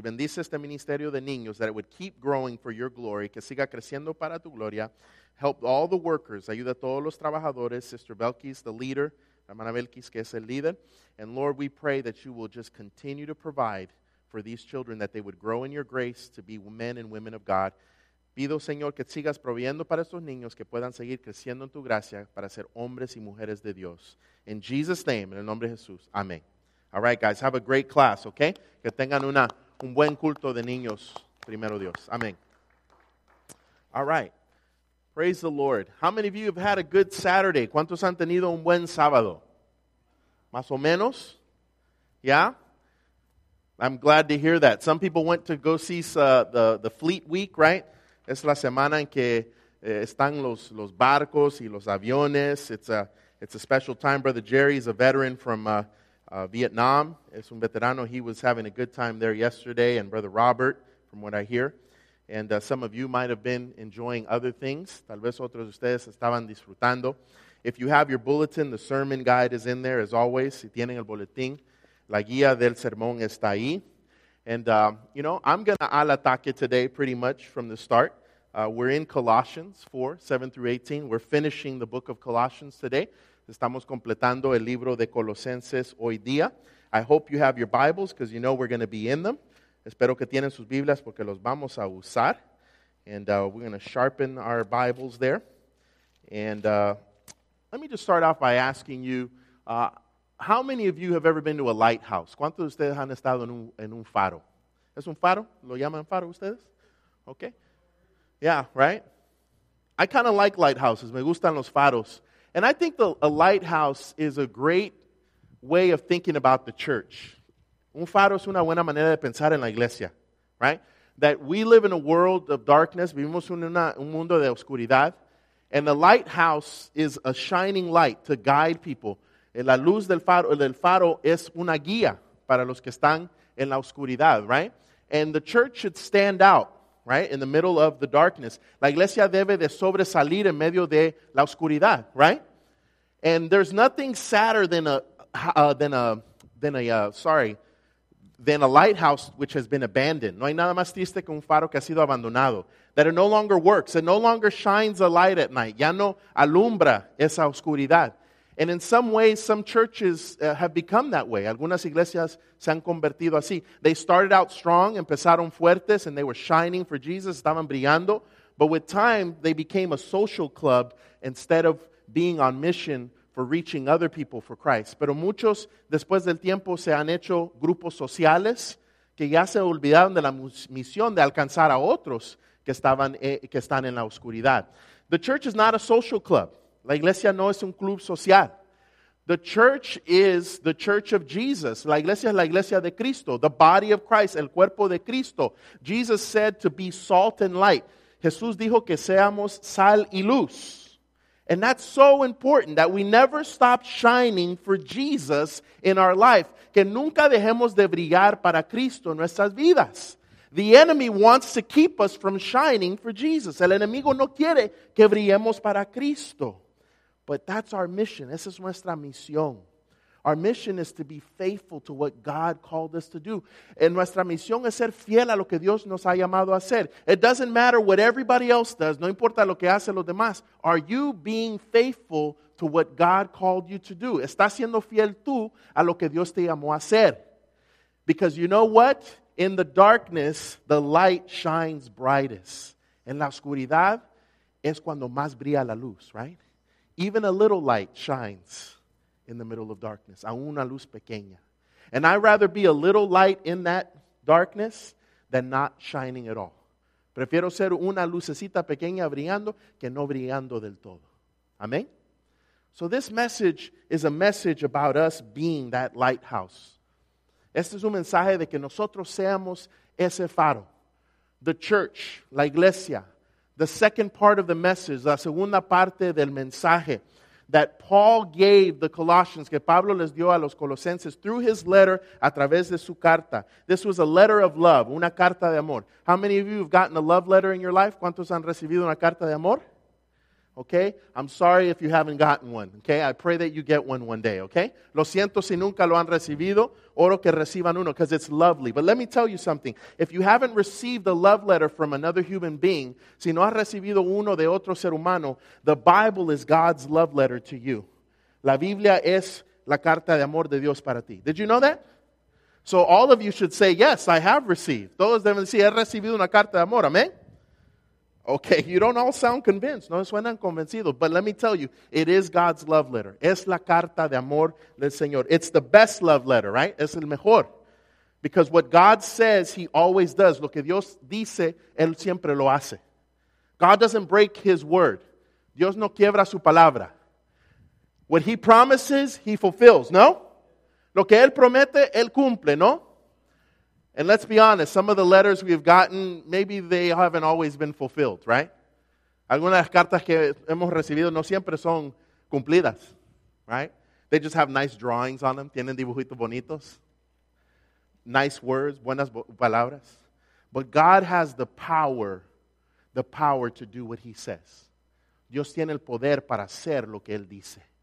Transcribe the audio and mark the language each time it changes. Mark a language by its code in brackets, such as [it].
[es] Bendice este ministerio de niños, [en] that it would keep growing for your glory. [es] Que siga creciendo para tu gloria. [en] Help all the workers. [es] Ayuda a todos los trabajadores. [en] Sister Belkis, the leader. [es] Hermana Belkis, que es el líder. [en] And Lord, we pray that you will just continue to provide for these children, that they would grow in your grace to be men and women of God. [es] Pido, Señor, que sigas proveyendo para estos niños que puedan seguir creciendo en tu gracia para ser hombres y mujeres de Dios. [en] In Jesus' name, [es] en el nombre de Jesús. Amén. [en] All right, guys, have a great class, okay? [es] Que tengan un buen culto de niños, primero Dios. [en] Amén. All right. Praise the Lord. How many of you have had a good Saturday? [es] ¿Cuántos han tenido un buen sábado? ¿Más o menos? [en] Yeah? I'm glad to hear that. Some people went to go see the Fleet Week, right? [es] Es la semana en que están los barcos y los aviones. [en] It's a special time. Brother Jerry is a veteran from Vietnam. [es] Es un veterano. [en] He was having a good time there yesterday. And Brother Robert, from what I hear. And some of you might have been enjoying other things. [es] Tal vez otros de ustedes estaban disfrutando. [en] If you have your bulletin, the sermon guide is in there, as always. [es] Si tienen el boletín, la guía del sermón está ahí. [en] And, you know, I'm going to [es] al ataque [en] today pretty much from the start. We're in Colossians 4, 7 through 18. We're finishing the book of Colossians today. [es] Estamos completando el libro de Colosenses hoy día. [en] I hope you have your Bibles because you know we're going to be in them. [es] Espero que tienen sus Biblias porque los vamos a usar. [en] And we're going to sharpen our Bibles there. And let me just start off by asking you, how many of you have ever been to a lighthouse? [es] ¿Cuántos de ustedes han estado en un faro? ¿Es un faro? ¿Lo llaman faro ustedes? [en] Okay. Yeah, right? I kind of like lighthouses. [es] Me gustan los faros. [en] And I think a lighthouse is a great way of thinking about the church. [es] Un faro es una buena manera de pensar en la iglesia, [en] right? That we live in a world of darkness. [es] Vivimos en un mundo de oscuridad. [en] And the lighthouse is a shining light to guide people. [es] La luz del faro es una guía para los que están en la oscuridad, [en] right? And the church should stand out, right, in the middle of the darkness. [es] La iglesia debe de sobresalir en medio de la oscuridad, [en] right? And there's nothing sadder than a lighthouse which has been abandoned. [es] No hay nada más triste que un faro que ha sido abandonado. [en] That it no longer works. It no longer shines a light at night. [es] Ya no alumbra esa oscuridad. [en] And in some ways, some churches have become that way. [es] Algunas iglesias se han convertido así. [en] They started out strong, [es] empezaron fuertes, [en] and they were shining for Jesus, [es] estaban brillando. [en] But with time, they became a social club instead of being on mission for reaching other people for Christ. [es] Pero muchos, después del tiempo, se han hecho grupos sociales que ya se olvidaron de la misión de alcanzar a otros que están en la oscuridad. [en] The church is not a social club. [es] La iglesia no es un club social. [en] The church is the church of Jesus. [es] La iglesia es la iglesia de Cristo. [en] The body of Christ, [es] el cuerpo de Cristo. [en] Jesus said to be salt and light. [es] Jesús dijo que seamos sal y luz. [en] And that's so important that we never stop shining for Jesus in our life. [es] Que nunca dejemos de brillar para Cristo en nuestras vidas. [en] The enemy wants to keep us from shining for Jesus. [es] El enemigo no quiere que brillemos para Cristo. [en] But that's our mission. [es] Esa es nuestra misión. [en] Our mission is to be faithful to what God called us to do. [es] En nuestra misión es ser fiel a lo que Dios nos ha llamado a hacer. [en] It doesn't matter what everybody else does. [es] No importa lo que hacen los demás. [en] Are you being faithful to what God called you to do? [es] ¿Estás siendo fiel tú a lo que Dios te llamó a hacer? [en] Because you know what? In the darkness, the light shines brightest. [es] En la oscuridad es cuando más brilla la luz, [en] right? Even a little light shines in the middle of darkness. [es] A una luz pequeña. [en] And I'd rather be a little light in that darkness than not shining at all. [es] Prefiero ser una lucecita pequeña brillando que no brillando del todo. [en] Amen? So this message is a message about us being that lighthouse. [es] Este es un mensaje de que nosotros seamos ese faro. [en] The church, [es] la iglesia. [en] The second part of the message, [es] la segunda parte del mensaje. [en] that Paul gave the Colossians, [es] que Pablo les dio a los Colosenses [en] through his letter, [es] a través de su carta. [en] This was a letter of love, [es] una carta de amor. [en] How many of you have gotten a love letter in your life? [es] ¿Cuántos han recibido una carta de amor? [en] Okay, I'm sorry if you haven't gotten one. Okay, I pray that you get one day, okay? [es] Lo siento si nunca lo han recibido. Oro que reciban uno, [en] because it's lovely. But let me tell you something. If you haven't received a love letter from another human being, [es] si no has recibido uno de otro ser humano, [en] the Bible is God's love letter to you. [es] La Biblia es la carta de amor de Dios para ti. [en] Did you know that? So all of you should say, yes, I have received. [es] Todos deben decir, he recibido una carta de amor. [en] Amen. Okay, you don't all sound convinced. [es] No suenan convencidos. [en] But let me tell you, it is God's love letter. [es] Es la carta de amor del Señor. [en] It's the best love letter, right? [es] Es el mejor. [en] Because what God says, he always does. [es] Lo que Dios dice, él siempre lo hace. [en] God doesn't break his word. [es] Dios no quiebra su palabra. [en] What he promises, he fulfills, no? [es] Lo que él promete, él cumple, no? [en] And let's be honest, some of the letters we've gotten, maybe they haven't always been fulfilled, right? [es] Algunas de las cartas que hemos recibido no siempre son cumplidas, [en] right? They just have nice drawings on them, [es] tienen dibujitos bonitos, [en] nice words, [es] buenas palabras. [en] But God has the power to do what he says. [es] Dios tiene el poder para hacer lo que él dice.